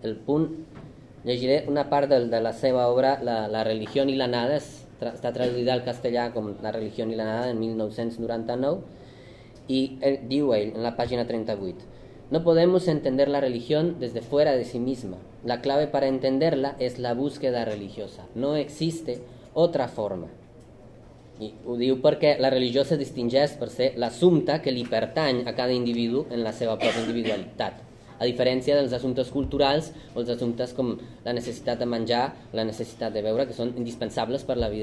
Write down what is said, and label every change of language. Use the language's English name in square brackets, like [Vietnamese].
[Catalan] El punt, llegiré una part de la seva obra, La religió i la nada, està traduïda al castellà com La religió i la nada, en 1999, i diu ell, en la pàgina 38, [Spanish] no podemos entender la religión desde fuera de sí misma. La clave para entenderla es la búsqueda religiosa. No existe otra forma. [Catalan] I ho diu perquè la religió se distingeix per ser l'assumpte que li pertany a cada individu en la seva pròpia individualitat, a diferència dels assumptes culturals o els assumptes com la necessitat de menjar, la necessitat de beure, que són indispensables per